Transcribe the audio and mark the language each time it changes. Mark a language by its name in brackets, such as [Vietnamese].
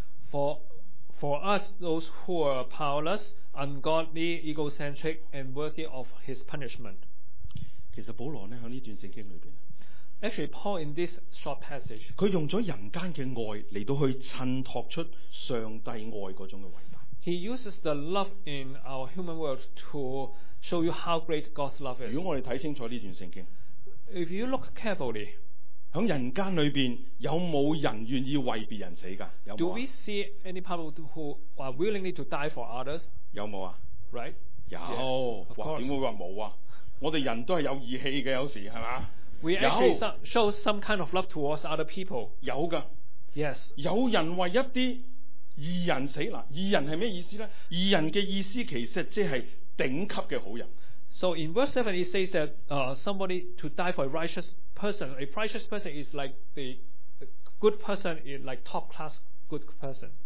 [English] for us those who are powerless ungodly egocentric and worthy of his punishment [Chinese] 其实保罗呢在这段圣经里面 [English] actually Paul in this short passage [Chinese] 他用了人间的爱来到去衬托出上帝爱那种的伟大 [English] he uses the love in our human world to show you how great God's love is [Chinese] 如果我们看清楚这段圣经 [English] if you look carefully [Chinese] 在人间里面有没有人愿意为别人死的有没有、 [English] 啊、Do we see any people who are willingly to die for others? [Chinese] 有没有、啊、 [English] Right? [Chinese] 有 [English] yes, [Chinese] 哇怎么会说没有、啊、我们人都是有义气的有时是吧 [English] We actually show some kind of love towards other people [Chinese] 有的 [English] Yes [Chinese] 有人为一些义人死义人是什么意思呢义人的意思其实就是顶级的好人 [English] So in verse 7 it says that somebody to die for a righteous person, a righteous person is like the good person is like top class good person.